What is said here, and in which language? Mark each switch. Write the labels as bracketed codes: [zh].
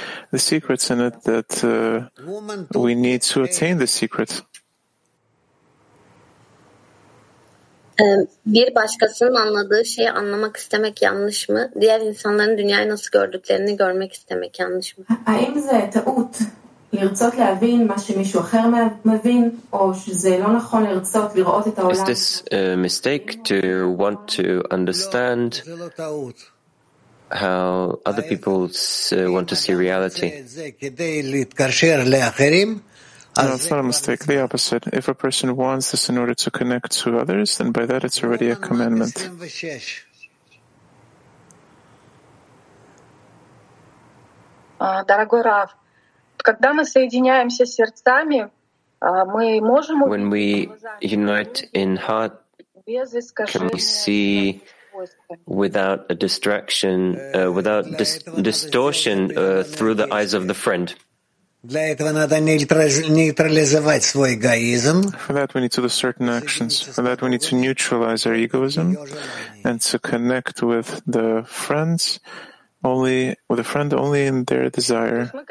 [en] The secret's in it that we need to attain the secret. [tr] Bir başkasının anladığı şeyi anlamak istemek yanlış mı? Diğer insanların dünyayı nasıl gördüklerini görmek istemek yanlış mı? [he] Haim ze taut. לרצות להבין מה שמישהו אחר מבין או שזה לא נכון לרצות לראות את העולם. [en] Is this a mistake to want to understand how other people want to see reality? No, it's not a mistake, the opposite. If a person wants this in order to connect to others, then by that it's already a commandment. [ru] Дорогой Рав, когда мы соединяемся сердцами, мы можем [en] when we unite in heart, can we see without a distraction, without distortion through the eyes of the friend? [ru] Для этого надо нейтрализовать свой эгоизм. [en] For that we need to do certain actions. For that we need to neutralize our egoism and to connect with the friends. Only with a friend, only in their desire.